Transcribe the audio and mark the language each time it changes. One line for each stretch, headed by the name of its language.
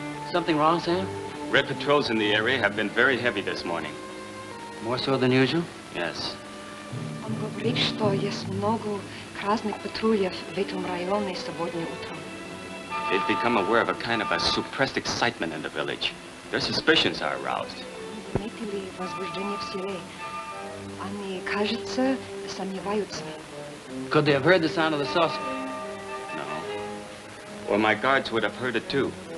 English: Something wrong, Sam? Red patrols in the area have been very heavy this morning. More so than usual? Yes.
Russian: Он говорит, что есть много красных патрулей в этом районе сегодня утром.
English: They've become aware of a kind of a suppressed excitement in the village. Their suspicions are aroused.
Russian: Заметили возбуждение в селе. Они, кажется, сомневаются.
English: Could they have heard the sound of the saucer? No. Or my guards would have heard it too.